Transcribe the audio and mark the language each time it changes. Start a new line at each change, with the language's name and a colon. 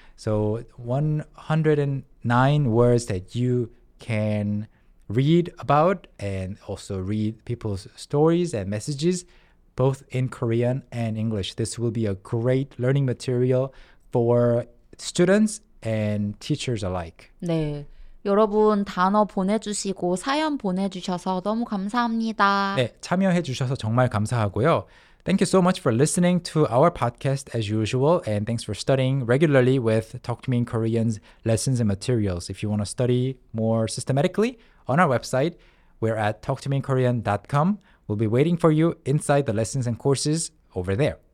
English: So 109 words that you can read about and also read people's stories and messages both in Korean and English. This will be a great learning material for students and teachers alike.
Korean: 네, 여러분 단어 보내주시고 사연 보내주셔서 너무 감사합니다. 네, 참여해주셔서 정말 감사하고요.
English: Thank you so much for listening to our podcast as usual, and thanks for studying regularly with Talk to Me in Korean's lessons and materials. If you want to study more systematically, on our website, we're at talktomeinkorean.com. We'll be waiting for you inside the lessons and courses over there.